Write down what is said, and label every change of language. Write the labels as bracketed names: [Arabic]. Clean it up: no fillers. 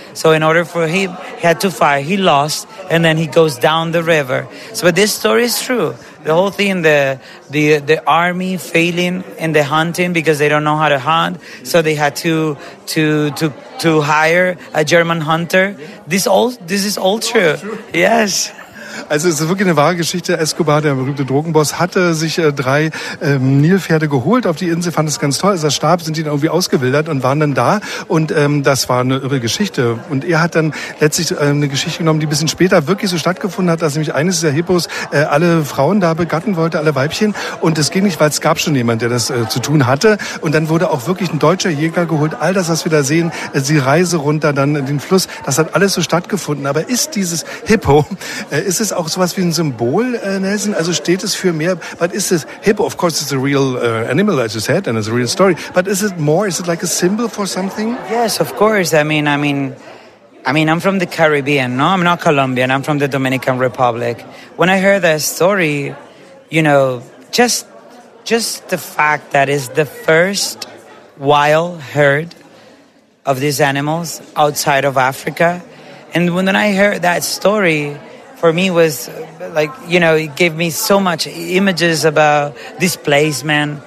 [English] So in order for him, he had to fight, he lost, and then he goes down the river. So but this story is true. The whole thing, the army failing in the hunting because they don't know how to hunt, so they had to hire a German hunter. This is all true. Yes. [German] Also es ist wirklich eine wahre Geschichte. Escobar, der berühmte Drogenboss, hatte sich 3 Nilpferde geholt auf die Insel, fand es ganz toll. Als er starb, sind die dann irgendwie ausgewildert und waren dann da. Und das war eine irre Geschichte. Und er hat dann letztlich eine Geschichte genommen, die ein bisschen später wirklich so stattgefunden hat, dass nämlich eines dieser Hippos alle Frauen da begatten wollte, alle Weibchen. Und es ging nicht, weil es gab schon jemand, der das zu tun hatte. Und dann wurde auch wirklich ein deutscher Jäger geholt. All das, was wir da sehen, die Reise runter, dann in den Fluss, das hat alles so stattgefunden. Aber ist dieses Hippo, ist es auch sowas wie ein Symbol, Nelson? Also steht es für mehr? [English] But is this hippo? Of course, it's a real animal, as you said, and it's a real story. But is it more? Is it like a symbol for something? Yes, of course. I mean, I'm from the Caribbean. No, I'm not Colombian. I'm from the Dominican Republic. When I heard that story, you know, just the fact that it's the first wild herd of these animals outside of Africa, and when I heard that story, for me was like, you know, it gave me so much images about displacement.